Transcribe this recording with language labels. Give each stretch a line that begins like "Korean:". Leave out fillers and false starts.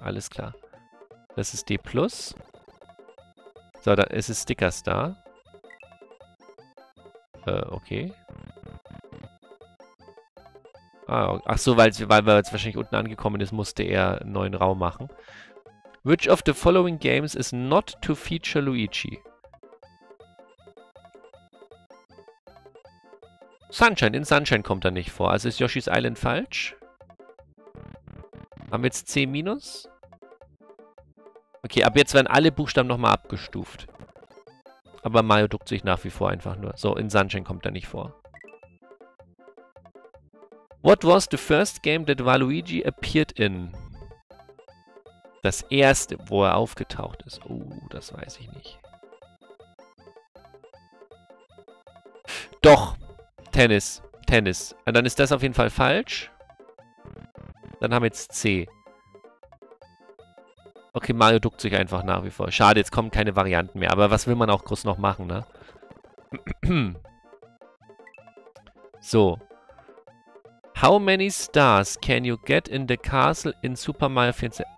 German: Alles klar. Das ist D+. So, dann ist es Sticker Star. Okay. Ah, ach so, weil er jetzt wahrscheinlich unten angekommen ist, musste er einen neuen Raum machen.
English: Which of the following games is not to feature Luigi?
German: Sunshine. In Sunshine kommt er nicht vor. Also ist Yoshi's Island falsch? Haben wir jetzt C-? Okay, ab jetzt werden alle Buchstaben nochmal abgestuft. Aber Mario duckt sich nach wie vor einfach nur. So, in Sunshine kommt er nicht vor.
English: What was the first game that Waluigi appeared in?
German: Das erste, wo er aufgetaucht ist. Oh, das weiß ich nicht. Doch, Tennis. Tennis. Und dann ist das auf jeden Fall falsch. Dann haben wir jetzt C. Okay, Mario duckt sich einfach nach wie vor. Schade, jetzt kommen keine Varianten mehr. Aber was will man auch groß noch machen, ne? So.
English: How many stars can you get in the castle in Super Mario 64?